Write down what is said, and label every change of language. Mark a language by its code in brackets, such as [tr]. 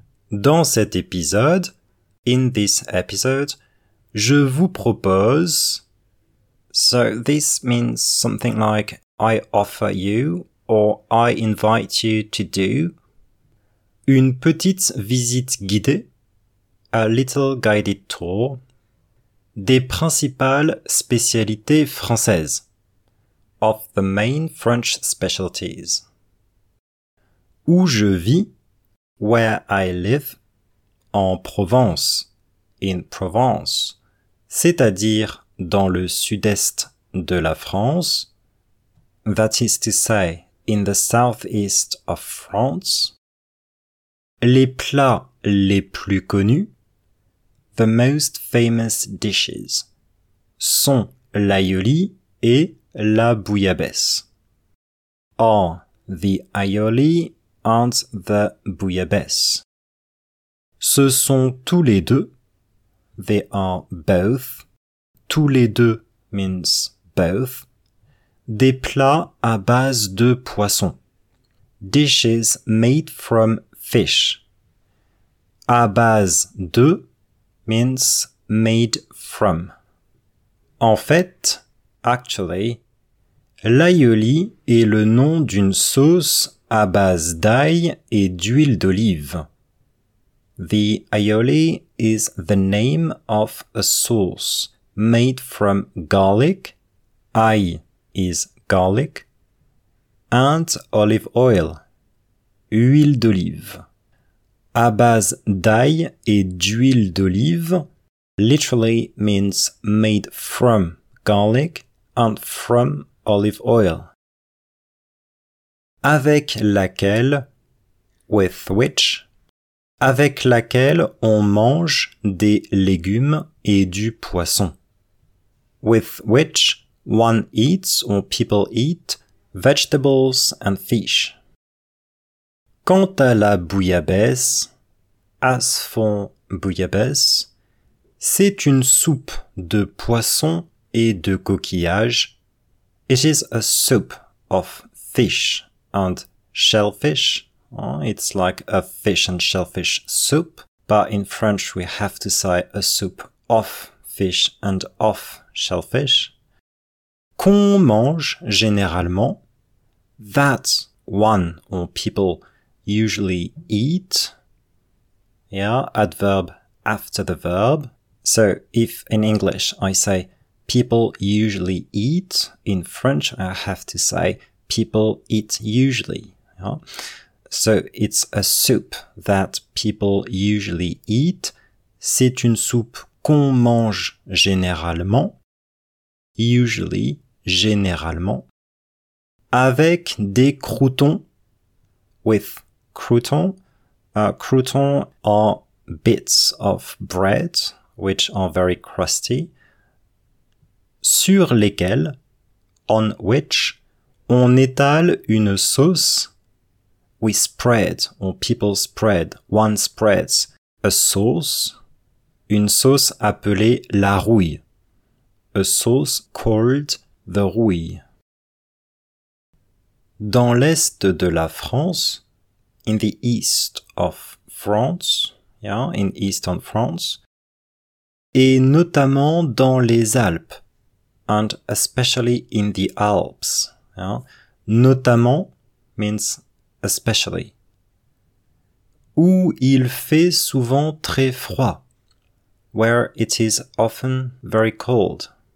[fr] Dans cet épisode, [en] in this episode, [fr] je vous propose. [en] So this means something like I offer you or I invite you to do. [fr] Une petite visite guidée. [en] A little guided tour. [fr] Des principales spécialités françaises. [en] Of the main French specialties. [fr] Où je vis. [en] Where I live. [fr] En Provence. [en] In Provence. [fr] C'est-à-dire dans le sud-est de la France. [en] That is to say, in the southeast of France. [fr] Les plats les plus connus. [en] The most famous dishes [fr] sont l'aioli et la bouillabaisse. [en] Are the aioli and the bouillabaisse. [fr] Ce sont tous les deux. [en] They are both. [fr] Tous les deux [en] means both. [fr] Des plats à base de poisson. [en] Dishes made from fish. [fr] À base de [en] means made from. [fr] En fait, [en] actually, [fr] l'aioli est le nom d'une sauce à base d'ail et d'huile d'olive. [en] The aioli is the name of a sauce made from garlic, ail is garlic, and olive oil, [fr] huile d'olive. À base d'ail et d'huile d'olive, [en] literally means made from garlic and from olive oil. [fr] Avec laquelle, [en] with which, [fr] avec laquelle on mange des légumes et du poisson. [en] With which one eats or people eat vegetables and fish. [fr] Quant à la bouillabaisse, [en] as for bouillabaisse, [fr] c'est une soupe de poisson et de coquillage. [en] It is a soup of fish and shellfish. It's like a fish and shellfish soup. But in French, we have to say a soup of fish and of shellfish. [fr] Qu'on mange généralement [en] That's one or people usually eat. Yeah, adverb after the verb. So if in English I say people usually eat, in French I have to say people eat usually. Yeah? So it's a soup that people usually eat. [fr] C'est une soupe qu'on mange généralement. [en] Usually, [fr] généralement. Avec des croutons. [en] With croutons. Croutons are bits of bread, which are very crusty. [fr] Sur lesquels, [en] on which, [fr] on étale une sauce. [en] We spread, or people spread, one spreads a sauce. [fr] Une sauce appelée la rouille. [en] A sauce called the rouille. [fr] Dans l'est de la France, [en] in the east of France, yeah, in eastern France, [fr] et notamment dans les Alpes, [en] and especially in the Alps, yeah, notamment means especially, [fr] où il fait souvent très froid, [en] where it is often very cold.